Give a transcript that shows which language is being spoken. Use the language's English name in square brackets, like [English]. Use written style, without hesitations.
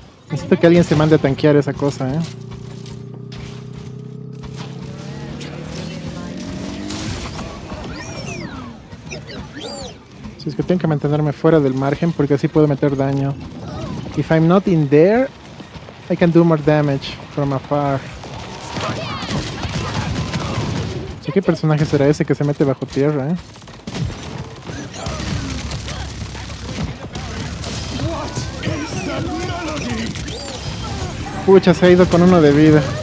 [Spanish] Necesito que alguien se mande a tanquear esa cosa, eh. Si es que tengo que mantenerme fuera del margen porque así puedo meter daño. [English] If I'm not in there, I can do more damage from afar. [Spanish] ¿Qué personaje será ese que se mete bajo tierra, eh? Pucha, se ha ido con uno de vida.